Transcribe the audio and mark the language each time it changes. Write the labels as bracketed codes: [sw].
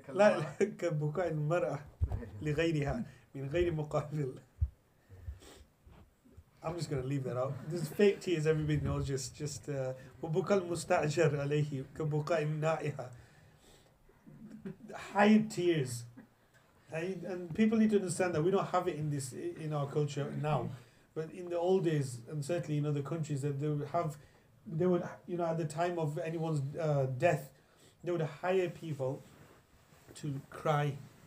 [ar] لا لك بكاء المرأة لغيرها من غير مقابل. [en] I'm just going to leave that out. This is fake tears, everybody knows. [ar] Just وبكاء المستأجر عليه كبكاء النائحة. [en] Hide tears. And people need to understand that we don't have it in this in our culture now, but in the old days and certainly in other countries, that they would at the time of anyone's death, they would hire people to cry.